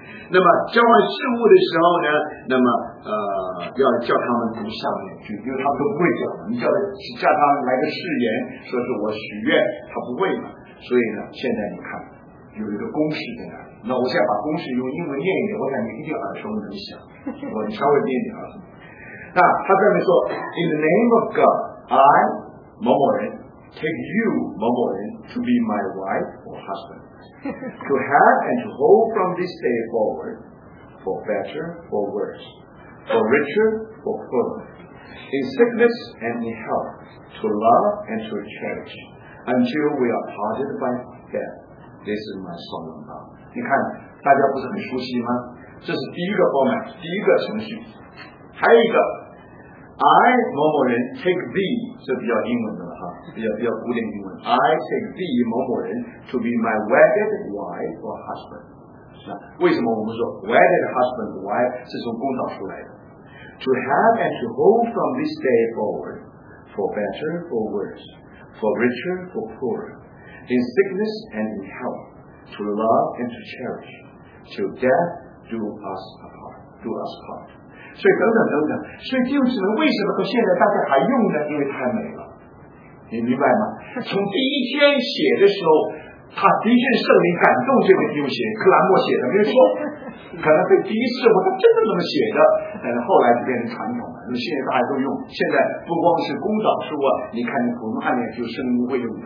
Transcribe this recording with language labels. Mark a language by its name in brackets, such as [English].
[Chinese] 那么交换事物的时候呢，那么要叫他们读上面去，因为他们都不会讲，你叫他们来个誓言，说是我许愿，他不会嘛。所以呢，现在你看有一个公式在那儿，那我现在把公式用英文念一遍，我想你一定耳熟能详，我稍微念点啊。那他这边说 [English] ，In the name of God, I 某某人 take you 某某人 to be my wife or husband. To have and to hold from this day forward, for better, for worse, for richer, for poorer, in sickness and in health, to love and to cherish, until we are parted by death. This is my solemn vow. [Chinese] 你看，大家不是很熟悉吗？这是第一个方面，第一个程序。还有一个 ，I 某某人 [English] take thee， [Chinese] 这比较英文的。比较古典英文 [English] I take thee 某某人 to be my wedded wife or husband [Chinese] 为什么我们说 [English] wedded husband wife [Chinese] 是从公道出来的 [English] to have and to hold from this day forward for better or worse for richer or poorer in sickness and in health to love and to cherish till death do us part [Chinese] 所以等等所以弟兄姊妹为什么到现在大家还用呢因为太美了你明白吗？从第一天写的时候，他的确圣灵感动这位弟兄写，克兰默写的，没错。可能对第一次，我他真的那么写的，但是后来就变成传统了。那现在大家都用，现在不光是公道书啊，你看我们按理就圣灵会用的。